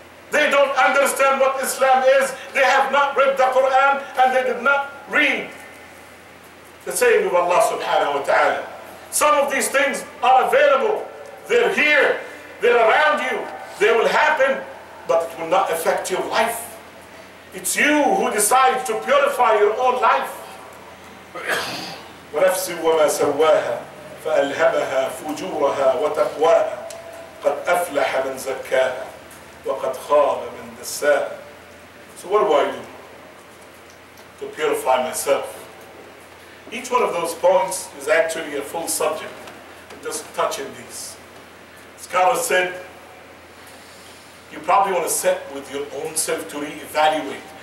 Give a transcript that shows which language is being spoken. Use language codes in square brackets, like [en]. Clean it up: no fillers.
[en] They don't understand what Islam is. They have not read the Quran, and they did not read the saying of Allah subhanahu wa ta'ala. Some of these things are available. They're here. They're around you. They will happen, but it will not affect your life. It's you who decide to purify your own life. [ar] ونفس وما سواها فألهمها فجورها وتقواها قد أفلح من زكاها وقد خاب من دساها. [en] So what do I do to purify myself? Each one of those points is actually a full subject. I'm just touching these. Scholars said, you probably want to sit with your own self to re-evaluate.